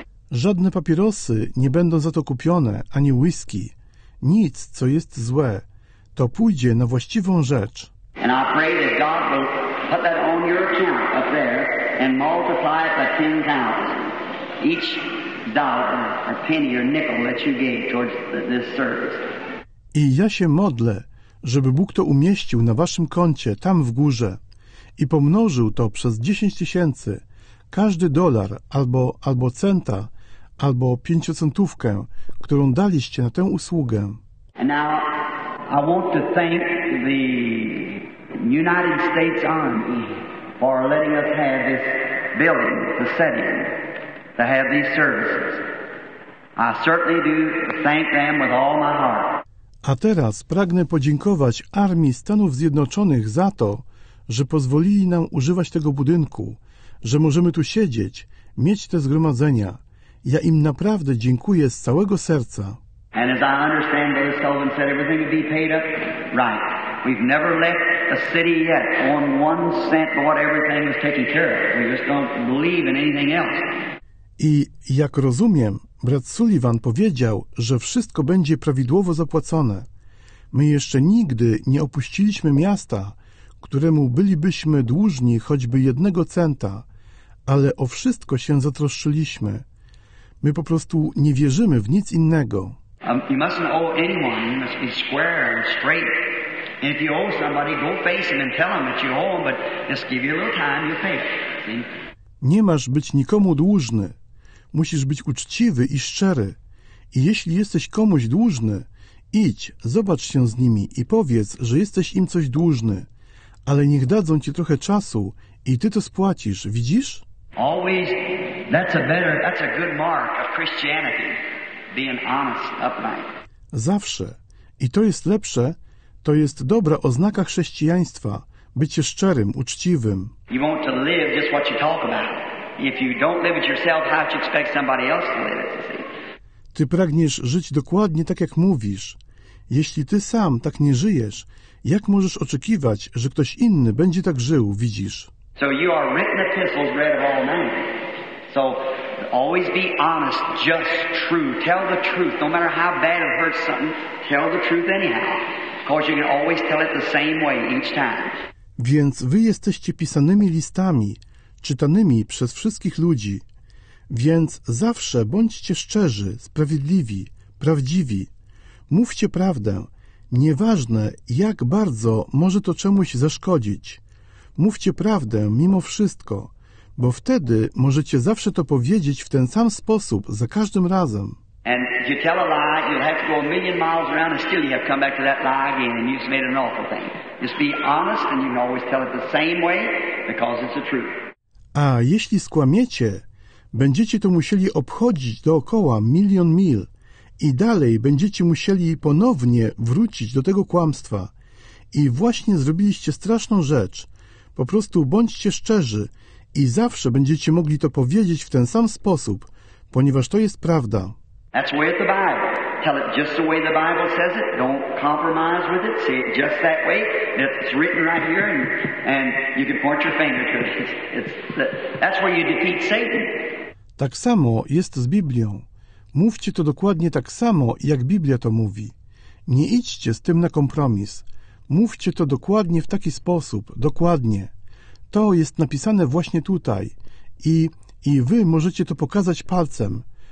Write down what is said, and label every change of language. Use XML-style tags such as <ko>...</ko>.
<pl>Żadne papierosy nie będą za to kupione, ani whisky. Nic, co jest złe, to pójdzie na właściwą rzecz.</pl> <en>And I pray that God will put that on your account up there and multiply it by 10,000. Each dollar or penny or nickel that you gave towards this service.</en> <pl>I ja się modlę, żeby Bóg to umieścił na waszym koncie tam w górze i pomnożył to przez 10,000, każdy dolar albo centa, albo pięciocentówkę, którą daliście na tę usługę.</pl> <en>And now I want to thank the United States Army for letting us have this building, the setting, to have these services. I certainly do thank them with all my heart.</en> <pl>A teraz pragnę podziękować Armii Stanów Zjednoczonych za to, że pozwolili nam używać tego budynku, że możemy tu siedzieć, mieć te zgromadzenia. Ja im naprawdę dziękuję z całego serca.</pl> <en>And as I understand, Dave Sullivan said everything would be paid up right. We've never left a city yet on one cent for what everything is taken care of. We just don't believe in anything else.</en> <pl>I jak rozumiem, brat Sullivan powiedział, że wszystko będzie prawidłowo zapłacone. My jeszcze nigdy nie opuściliśmy miasta, któremu bylibyśmy dłużni choćby jednego centa, ale o wszystko się zatroszczyliśmy. My po prostu nie wierzymy w nic innego.</pl> <en>You mustn't owe anyone. You must be square and straight. And if you owe somebody, go face him and tell him that you owe him, but just give you a little time, you'll pay. See?</en> <pl>Nie masz być nikomu dłużny. Musisz być uczciwy i szczery. I jeśli jesteś komuś dłużny, idź, zobacz się z nimi i powiedz, że jesteś im coś dłużny. Ale niech dadzą ci trochę czasu i ty to spłacisz, widzisz?</pl> <en>Always, that's a good mark of Christianity, being honest, upright.</en> <pl>Zawsze. I to jest lepsze, to jest dobra oznaka chrześcijaństwa, bycie szczerym, uczciwym.</pl> <en>You want to live just what you talk about. If you don't live it yourself, how do you expect somebody else to live it, you see?</en> <pl>Ty pragniesz żyć dokładnie tak, jak mówisz. Jeśli ty sam tak nie żyjesz, jak możesz oczekiwać, że ktoś inny będzie tak żył, widzisz?</pl> <en>So you are written epistles read of all men. So always be honest, just true. Tell the truth. No matter how bad it hurts something, tell the truth anyhow. Because you can always tell it the same way each time.</en> <pl>Więc wy jesteście pisanymi listami, czytanymi przez wszystkich ludzi. Więc zawsze bądźcie szczerzy, sprawiedliwi, prawdziwi. Mówcie prawdę, nieważne jak bardzo może to czemuś zaszkodzić. Mówcie prawdę mimo wszystko, bo wtedy możecie zawsze to powiedzieć w ten sam sposób, za każdym razem.</pl> <en>And if you tell a lie, you'll have to go a million miles around and still you have to come back to that lie again and you've made an awful thing. Just be honest and you can always tell it the same way because it's the truth.</en> <pl>A jeśli skłamiecie, będziecie to musieli obchodzić dookoła milion mil i dalej będziecie musieli ponownie wrócić do tego kłamstwa. I właśnie zrobiliście straszną rzecz. Po prostu bądźcie szczerzy i zawsze będziecie mogli to powiedzieć w ten sam sposób, ponieważ to jest prawda.</pl> <en>That's the way of the Bible. Tell it just the way the Bible says it. Don't compromise with it. Say it just that way. It's written right here and you can point your finger to it. That's where you defeat Satan.</en> <pl>Tak samo jest z Biblią. Mówcie to dokładnie tak samo, jak Biblia to mówi. Nie idźcie z tym na kompromis. Mówcie to dokładnie w taki sposób, dokładnie. To jest napisane właśnie tutaj. I wy możecie to pokazać palcem.</pl>